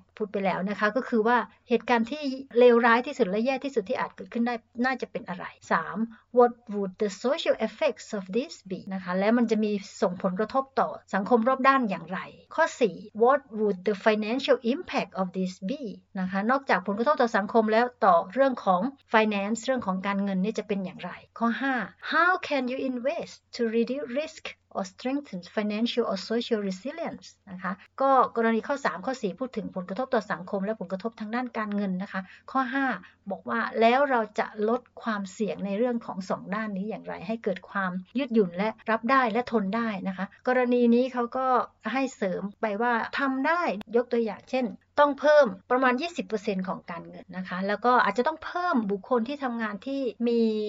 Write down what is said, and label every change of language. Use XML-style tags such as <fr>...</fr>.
<th>พูดไปแล้วนะคะก็คือว่าเหตุการณ์ที่เลวร้ายที่สุดและแย่ที่สุดที่อาจเกิดขึ้นได้น่าจะเป็นอะไร 3.</th> <en>What would the social effects of this be?</en> <th>นะคะแล้วมันจะมีส่งผลกระทบต่อสังคมรอบด้านอย่างไรข้อ 4.</th> <en>What would the financial impact of this be?</en> <th>นะคะนอกจากผลกระทบต่อสังคมแล้วต่อเรื่องของ finance เรื่องของการเงินนี่จะเป็นอย่างไรข้อ 5.</th> <en>How can you invest to reduce risk or strengthen financial or social resilience?</en> <th>นะคะก็กรณีข้อ 3 ข้อ 4 พูดถึงผลกระทบต่อสังคมและผลกระทบทางด้านการเงินนะคะข้อ 5 บอกว่าแล้วเราจะลดความเสี่ยงในเรื่องของ2ด้านนี้อย่างไรให้เกิดความยืดหยุ่นและรับได้และทนได้นะคะกรณีนี้เขาก็ให้เสริมไปว่าทำได้ยกตัวอย่างเช่นต้องเพิ่มประมาณ 20% ของการเงินนะคะแล้วก็อาจจะต้องเพิ่มบุคคลที่ทำงานที่มี</th>